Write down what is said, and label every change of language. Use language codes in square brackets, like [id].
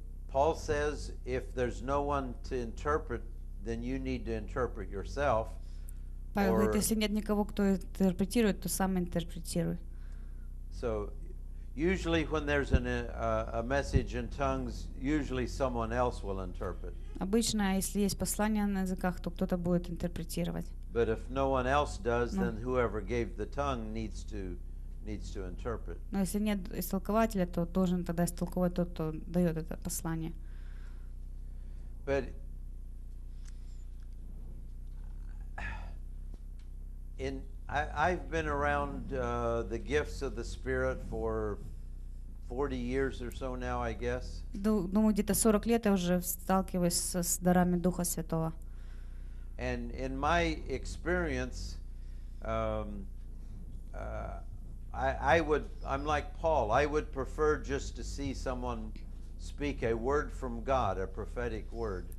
[en] Paul says if there's no one to interpret, then you need to interpret yourself. [ru] Павел говорит, если нет никого, кто интерпретирует, то сам интерпретируй. [en] So, usually when there's a message in tongues, usually someone else will interpret. [ru] Обычно, если есть послание на языках, то кто-то будет интерпретировать. [en] But if no one else does, then whoever gave the tongue needs to needs to interpret. [ru] Но если нет истолкователя, то должен тогда истолковать тот, кто дает это послание. [en] But in I've been around the gifts of the Spirit for 40 years or so now, I guess. [ru] Думаю, где-то 40 лет я уже сталкиваюсь с дарами Духа Святого. [en] And in my experience, I'm like Paul. I would prefer just to see someone speak a word from God, a prophetic word.